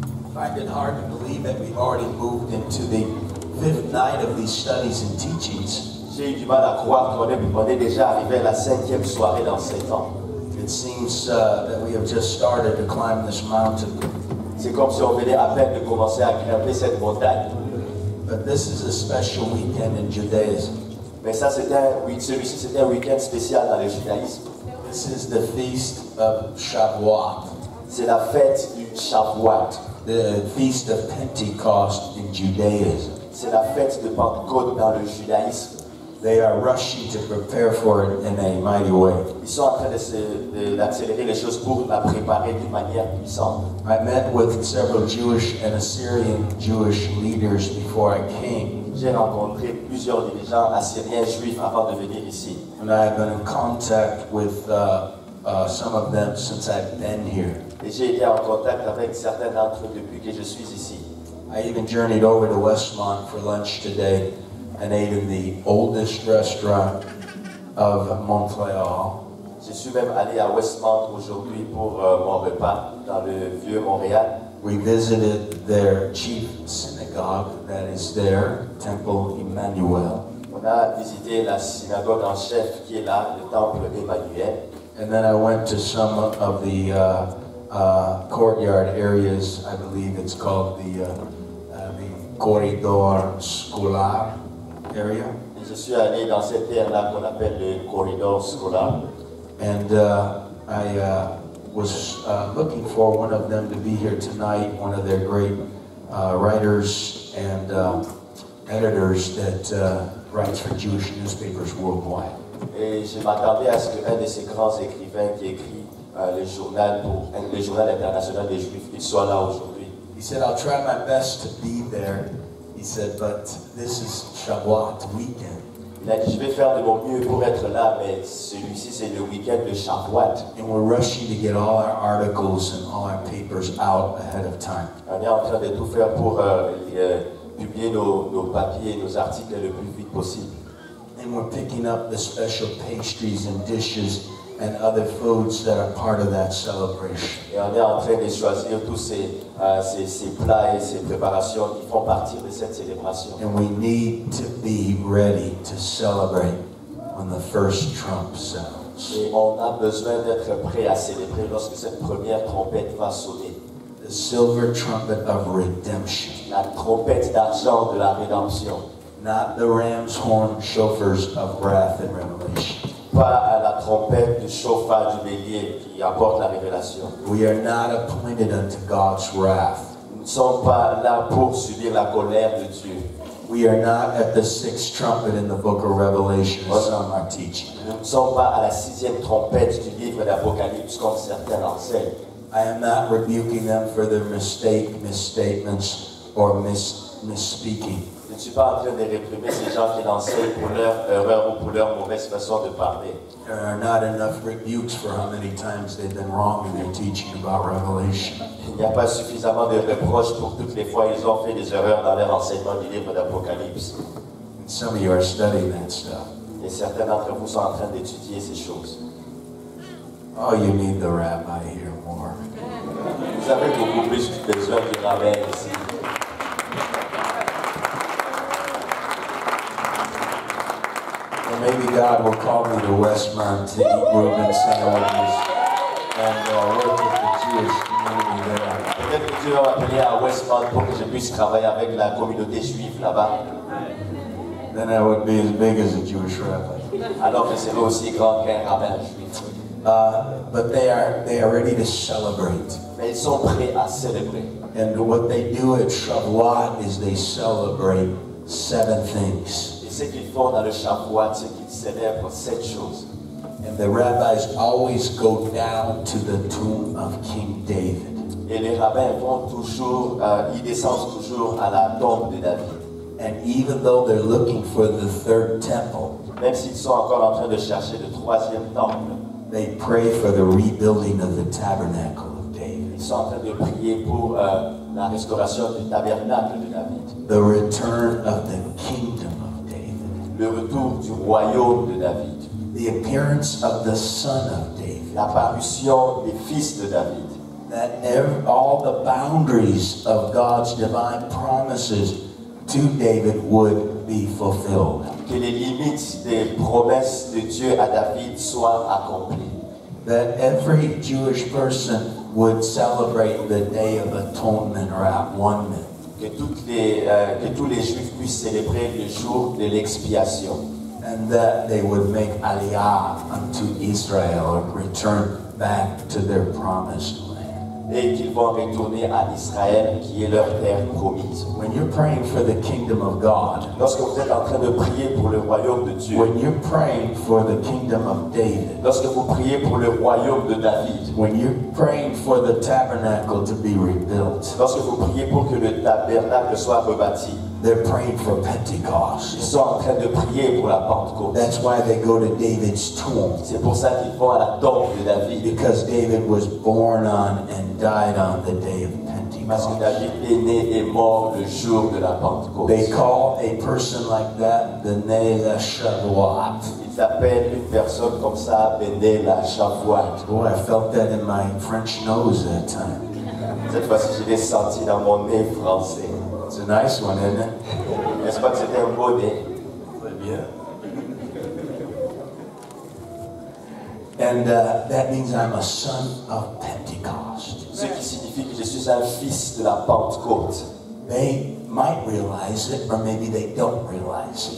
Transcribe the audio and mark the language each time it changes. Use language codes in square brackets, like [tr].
[en] I find it hard to believe that we've already moved into the fifth night of these studies and teachings. [fr] J'ai du mal à croire qu'on est déjà arrivé à la cinquième soirée dans ces temps. [en] It seems that we have just started to climb this mountain. [fr] C'est comme si on venait à peine de commencer à grimper cette montagne. [en] But this is a special weekend in Judaism. [fr] Mais ça, c'était un week-end spécial dans le judaïsme. [en] This is the feast of Shavuot. [fr] C'est la fête du Shavuot. [en] The feast of Pentecost in Judaism. [fr] C'est la fête de Pentecôte dans le judaïsme. [en] They are rushing to prepare for it in a mighty way. [fr] Ils sont en train d'accélérer les choses pour la préparer d'une manière puissante. [en] I met with several Jewish and Assyrian Jewish leaders before I came. [fr] J'ai rencontré plusieurs dirigeants assyriens juifs avant de venir ici. [en] And I have been in contact with some of them since I've been here. [fr] Et j'ai été en contact avec certains d'entre eux depuis que je suis ici. [en] I even journeyed over to Westmont for lunch today and ate in the oldest restaurant of Montreal. [fr] Je suis même allé à Westmont aujourd'hui pour mon repas dans le vieux Montréal. [en] We visited their chief synagogue that is there, Temple Emmanuel. [fr] On a visité la synagogue en chef qui est là, le Temple Emmanuel. [en] And then I went to some of the courtyard areas, I believe it's called the corridor scolar area. [fr] Et je suis allé dans cette aire-là qu'on appelle le corridor scolar. [en] And I was looking for one of them to be here tonight, one of their great writers and editors that writes for Jewish newspapers worldwide. [fr] Et je m'attendais à ce qu'un de ces grands écrivains qui écrit le journal international des Juifs, il soit là aujourd'hui. [en] He said, I'll try my best to be there. He said, but this is Shavuot weekend. [fr] Il a dit, je vais faire de mon mieux pour être là, mais celui-ci, c'est le week-end de Shavuot. [en] And we're rushing to get all our articles and all our papers out ahead of time. [fr] On est en train de tout faire pour publier nos papiers et nos articles le plus vite possible. [en] And we're picking up the special pastries and dishes and other foods that are part of that celebration. [fr] Et on est en train de choisir tous ces plats et ces préparations qui font partie de cette célébration. [en] And we need to be ready to celebrate when the first trump sounds. [fr] Et on a besoin d'être prêt à célébrer lorsque cette première trompette va sonner. [en] The silver trumpet of redemption. [fr] La trompette d'argent de la rédemption. [en] Not the ram's horn shofars of wrath and revelation. [fr] Pas à la trompette du chauffard du bélier qui apporte la révélation. [en] We are not appointed unto God's wrath. [fr] Nous ne sommes pas là pour subir la colère de Dieu. [en] We are not at the sixth trumpet in the book of Revelation. [fr] Nous ne sommes pas à la sixième trompette du livre d'Apocalypse comme certains enseignent. [en] I am not rebuking them for their misstatements or misspeaking. [fr] Je ne suis pas en train de réprimer ces gens qui l'enseignent pour leur erreur ou pour leur mauvaise façon de parler. [en] There are not enough rebukes for how many times they've been wrong in their teaching about Revelation. [fr] Il n'y a pas suffisamment de reproches pour toutes les fois ils ont fait des erreurs dans leur enseignement du livre d'Apocalypse. [en] And some of you are studying that stuff. [fr] Et certains d'entre vous sont en train d'étudier ces choses. [en] Oh, you need the rabbi here more. [fr] Vous avez beaucoup plus besoin du rabbin ici. [en] Maybe God will call me to Westmont group and St. Louis and work with the Jewish community there. [fr] peut-être que Dieu va m'appeler à Westmount pour que je puisse travailler avec la communauté juive là-bas. [en] Then I would be as big as a Jewish rabbi. [fr] Alors je serai aussi grand qu'un rabbin juif. [en] But they are ready to celebrate. [fr] Mais ils sont prêts à célébrer. [en] And what they do at Shavuot is they celebrate seven things. [fr] Et ce qu'ils font dans le Shavuot, c'est qu'ils célèbrent sept choses. [en] And the rabbis always go down to the tomb of King David. [fr] Et les rabbins vont toujours, ils descendent toujours à la tombe de David. [en] And even though they're looking for the third temple, [fr] même s'ils sont encore en train de chercher le troisième temple, [en] they pray for the rebuilding of the tabernacle of David. [fr] Ils sont en train de prier pour la restauration du tabernacle de David. [en] The return of the kingdom of David. [fr] Le retour du royaume de David. [en] The appearance of the son of David. [fr] L'apparition des fils de David. [en] That all the boundaries of God's divine promises to David would be fulfilled. [fr] Que les limites des promesses de Dieu à David soient accomplies. [en] That every Jewish person would celebrate the Day of Atonement or Atonement. [fr] Que tous les Juifs puissent célébrer le jour de l'expiation. [en] And that they would make aliyah unto Israel or return back to their promised land. [fr] Et qu'ils vont retourner à Israël, qui est leur terre promise. [en] When you're praying for the kingdom of God, [fr] lorsque vous êtes en train de prier pour le royaume de Dieu, [en] when you're praying for the kingdom of David, [fr] lorsque vous priez pour le royaume de David, [en] when you're praying for the tabernacle to be rebuilt, [fr] lorsque vous priez pour que le tabernacle soit rebâti, [en] they're praying for Pentecost. [fr] Ils sont en train de prier pour la Pentecôte. [en] That's why they go to David's tomb. [fr] C'est pour ça qu'ils vont à la tombe de David. [en] Because David was born on and died on the day of Pentecost. [fr] Parce que David est né et mort le jour de la Pentecôte. [en] They call a person like that Bnei LaShavuot. [fr] Ils appellent une personne comme ça Bnei LaShavuot. [en] Boy, I felt that in my French nose that time. [fr] Cette fois-ci, je l'ai senti dans mon nez français. [en] It's a nice one, isn't it? [fr] N'est-ce pas que c'était un beau nez? [en] Yeah. And that means I'm a son of Pentecost. [fr] Ce qui signifie que je suis un fils de la Pentecôte. [en] They might realize it, or maybe they don't realize it.